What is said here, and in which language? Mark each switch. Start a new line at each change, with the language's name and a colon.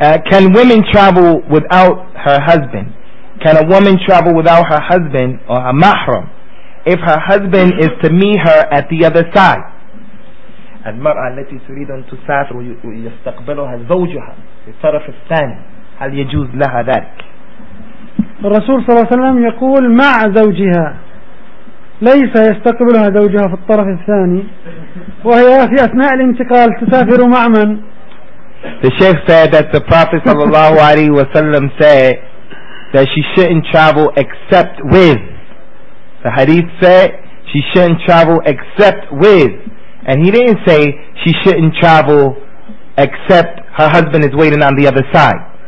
English: Can women travel without her husband? Can a woman travel without her husband or her mahram if her husband is to meet her at the other side?
Arabic: المرأة التي تريد أن تسافر ويستقبلها زوجها في الطرف الثاني هل يجوز لها ذلك؟ الرسول صلى الله عليه وسلم يقول مع زوجها ليس يستقبلها زوجها في الطرف الثاني وهي في أثناء الانتقال تسافر مع من؟
English: The Sheikh said that the Prophet sallallahu alaihi wasallam said that she shouldn't travel except with. The Hadith said she shouldn't travel except with, and he didn't say she shouldn't travel except her husband is waiting on the other side.